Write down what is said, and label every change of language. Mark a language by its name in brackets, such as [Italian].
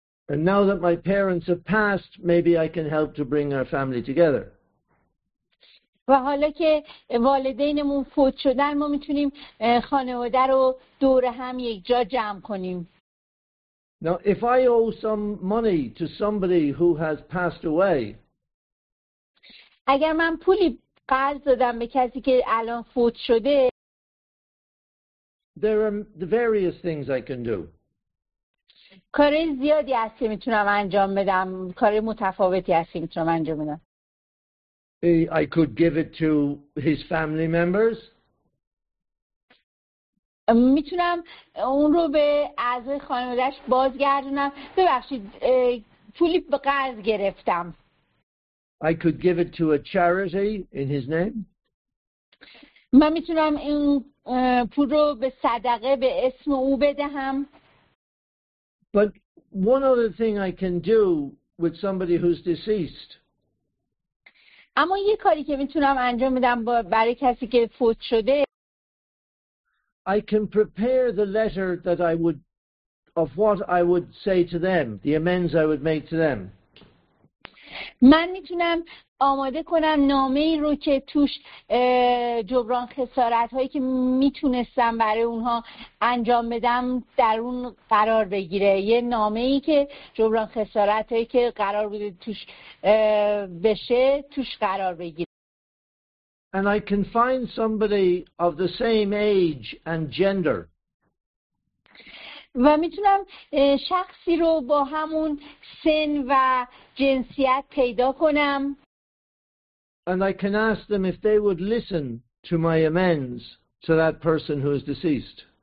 [English] And now that my parents have passed maybe I can help to bring our family together. [Persian] و حالا که والدینمون فوت شدن ما میتونیم خانواده رو دور هم یک جا جمع کنیم. [English] Now if I owe some money to somebody who has passed away, [Persian] اگر من پولی قرض دادم به کسی که الان فوت شده, [English] there are the various things I can do. [Persian] کاری زیادی هست که میتونم انجام بدم, کاری متفاوتی هست که میتونم انجام بدم. [English] I could give it to his family members. [Persian] میتونم اون رو به اعضای خانوادهش بازگردونم. ببخشید, پولی به قرض گرفتم. [English] I could give it to a charity in his name. [Persian] من میتونم این پول رو به صدقه به اسم او بدهم. [English] But one other thing I can do with somebody who's deceased. [Persian] اما یه کاری که میتونم انجام بدم برای کسی که فوت شده, [English] I can prepare the letter that I would of what I would say to them, the amends I would make to them. [Persian] من میتونم آماده کنم نامه‌ای رو که توش جبران خسارت‌هایی که میتونستم برای اونها انجام بدم در اون قرار بگیره, یه نامه‌ای که جبران خسارت‌هایی که قرار بوده توش بشه توش قرار بگیره. [English] And I can find somebody of the same age and gender. [Persian] و میتونم شخصی رو با همون سن و جنسیت پیدا کنم. [English] And I can ask them if they would listen to my amends to that person who is deceased.